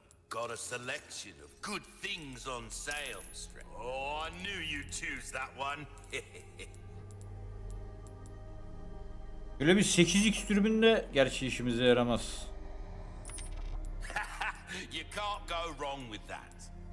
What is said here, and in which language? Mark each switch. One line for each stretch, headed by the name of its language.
English: Got a selection of good things on sale. Oh, I knew you'd choose that one.
Turkish: Böyle bir 8x türbin de gerçi işimize yaramaz.
English: You can't go wrong with that.